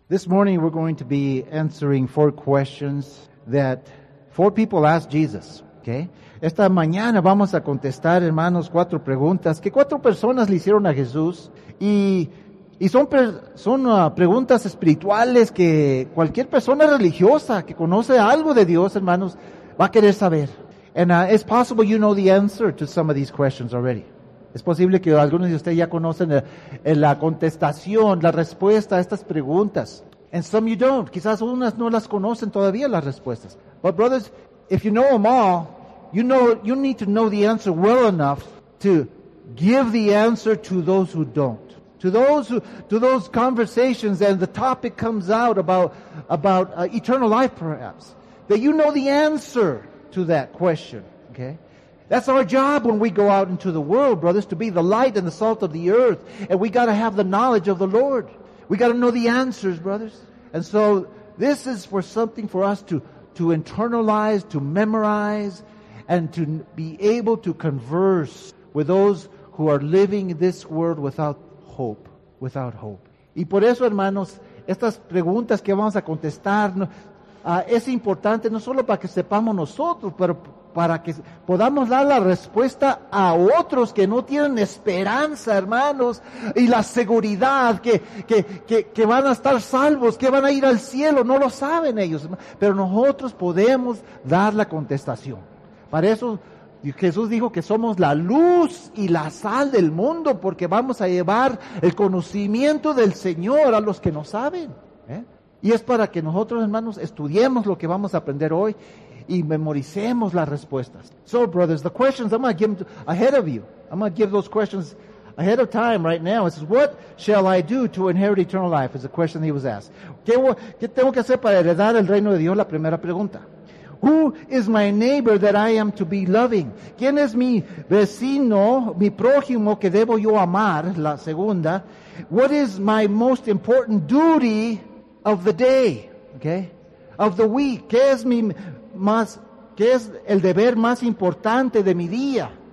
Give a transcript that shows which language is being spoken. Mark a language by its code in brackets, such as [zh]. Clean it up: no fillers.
[en] This morning we're going to be answering four questions that four people asked Jesus. Okay. [es] Esta mañana vamos a contestar, hermanos, cuatro preguntas que cuatro personas le hicieron a Jesús y son preguntas espirituales que cualquier persona religiosa que conoce algo de Dios, hermanos, va a querer saber. [en] And it's possible you know the answer to some of these questions already. [es] Es posible que algunos de ustedes ya conocen la contestación, la respuesta a estas preguntas. [en] And some you don't. [es] Quizás unas no las conocen todavía las respuestas. [en] But brothers, if you know them all, you need to know the answer well enough to give the answer to those who don't. To those conversations and the topic comes out about eternal life perhaps. That you know the answer to that question, okay? That's our job when we go out into the world, brothers, to be the light and the salt of the earth. And we got to have the knowledge of the Lord. We got to know the answers, brothers. And so this is for something for us to internalize, to memorize, and to be able to converse with those who are living this world without hope. [es] Y por eso, hermanos, estas preguntas que vamos a contestar es importante no solo para que sepamos nosotros, pero para que podamos dar la respuesta a otros que no tienen esperanza, hermanos, y la seguridad que van a estar salvos, que van a ir al cielo, no lo saben ellos, pero nosotros podemos dar la contestación. Para eso Jesús dijo que somos la luz y la sal del mundo, porque vamos a llevar el conocimiento del Señor a los que no saben, ¿eh? Y es para que nosotros, hermanos, estudiemos lo que vamos a aprender hoy y memoricemos las respuestas. [en] So, brothers, the questions, I'm going to give them ahead of you. I'm going to give those questions ahead of time right now. It says, what shall I do to inherit eternal life? Is the question he was asked. [es] ¿Qué tengo que hacer para heredar el reino de Dios? La primera pregunta. [en] Who is my neighbor that I am to be loving? [es] ¿Quién es mi vecino, mi prójimo que debo yo amar? La segunda. [en] What is my most important duty of the day? Okay. Of the week. [es] ¿Qué es mi más, qué es el deber más importante de mi día?